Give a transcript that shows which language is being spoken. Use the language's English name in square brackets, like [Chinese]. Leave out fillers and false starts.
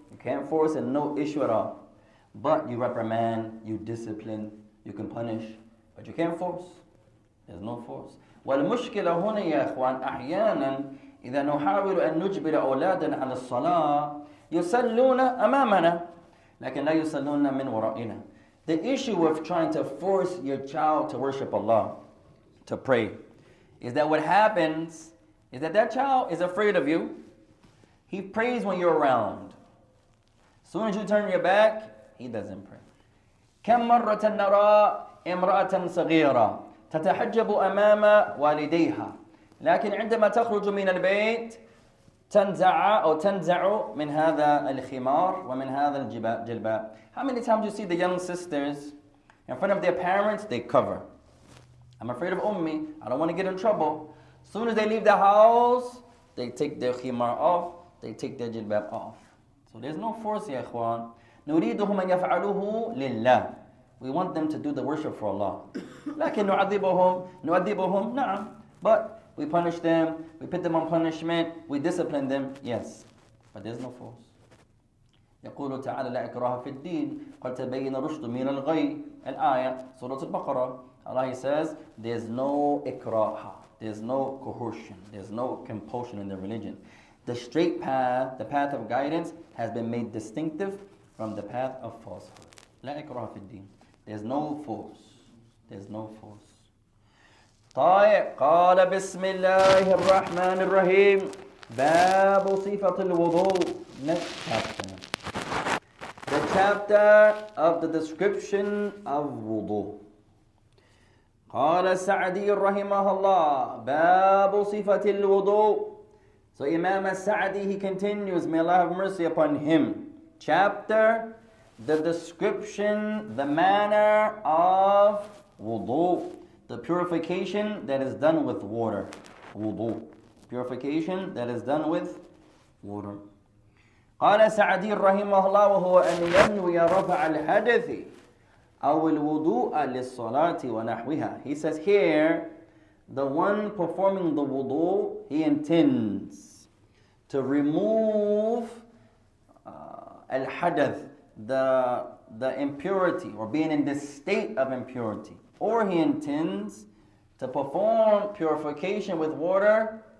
[English] You can't force him, no issue at all. But you reprimand, you discipline, you can punish. But you can't force. There's no force. [Arabic] والمشكلة هنا يا إخوان أحيانا إذا نحاول أن نجبر أولادنا على الصلاة يصلون أمامنا لكن لا يصلون من ورائنا. [English] The issue of trying to force your child to worship Allah, to pray, is that what happens is that that child is afraid of you. He prays when you're around. Soon as you turn your back, he doesn't pray. [Arabic] كم مرة نرى امرأة صغيرة تتحجب أمام والديها لكن عندما تخرج من البيت تنزع أو تنزع من هذا الخمار ومن هذا الجلباب. [English] How many times you see the young sisters in front of their parents, they cover. I'm afraid of ummi. I don't want to get in trouble. Soon as they leave the house, they take their khimar off. They take their jilbab off. So there's no force, ya ikhwan. [Arabic] نريدهم أن يفعلوه لله. [English] We want them to do the worship for Allah. [Arabic] لكن نعذبهم, نعذبهم, نعم. [English] But we punish them, we put them on punishment, we discipline them, yes. But there's no force. [Arabic] يقول تعالى لا إكراه في الدين قد تبين الرشد من الغي. الآية سورة البقرة. [English] Allah says, there's no إكراه. There's no coercion. There's no compulsion in the religion. The straight path, the path of guidance, has been made distinctive from the path of falsehood. [Arabic] لا إكراه في الدين. [English] There's no force. There's no force. [Arabic] طيب قال بسم الله الرحمن الرحيم باب صفة الوضوء. [English] Next chapter. The chapter of the description of wudu. [Arabic] قال السعدي رحمه الله باب صفة الوضوء. [English] So Imam al-Sa'di, he continues, may Allah have mercy upon him. Chapter, the description, the manner of wudu, the purification that is done with water. Wudu, purification that is done with water. [Arabic] قال سعدي رحمه الله وهو أن ينوي رفع الحدث أو الوضوء للصلاة ونحوها. [English] He says here, the one performing the wudu, he intends to remove al-hadath, the impurity, or being in the state of impurity. Or he intends to perform purification with water.